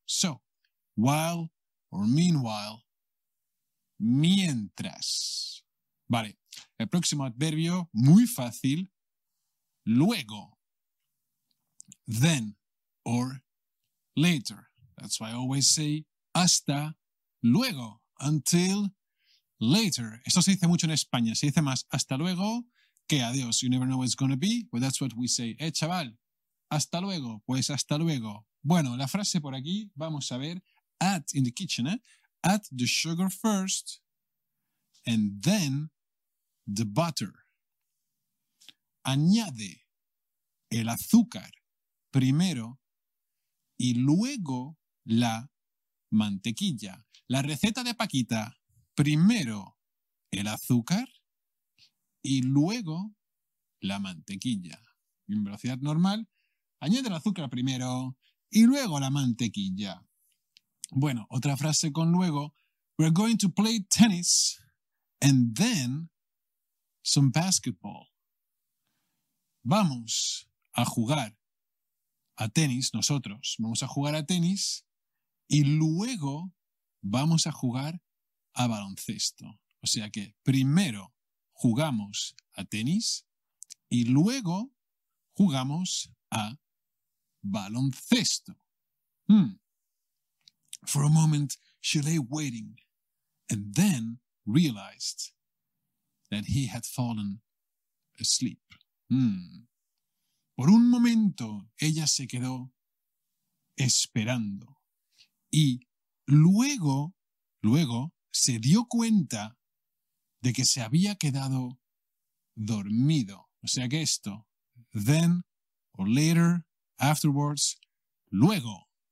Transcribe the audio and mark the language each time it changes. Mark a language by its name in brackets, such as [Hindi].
[English] So, while or meanwhile, mientras. [Spanish] Vale, el próximo adverbio, muy fácil, luego. [English] Then or later. That's why I always say hasta luego, until later. [Spanish] Esto se dice mucho en España, se dice más hasta luego que adiós. [English] You never know what it's going to be, but that's what we say. [Spanish] Chaval, hasta luego, pues hasta luego. Bueno, la frase por aquí, vamos a ver, [English] at in the kitchen, at the sugar first, and then the butter. [Spanish] Añade el azúcar primero y luego la mantequilla. La receta de Paquita, primero el azúcar y luego la mantequilla. Y en velocidad normal, añade el azúcar primero y luego la mantequilla. Bueno, otra frase con luego. [English] We're going to play tennis and then some basketball. [Spanish] Vamos a jugar a tenis, nosotros. Vamos a jugar a tenis y luego vamos a jugar a baloncesto. O sea que primero jugamos a tenis y luego jugamos a baloncesto. [English] For a moment, she lay waiting and then realized that he had fallen asleep. [Spanish] Por un momento, ella se quedó esperando y luego se dio cuenta de que se había quedado dormido. O sea que esto, [English] then or later, afterwards, [Spanish] luego.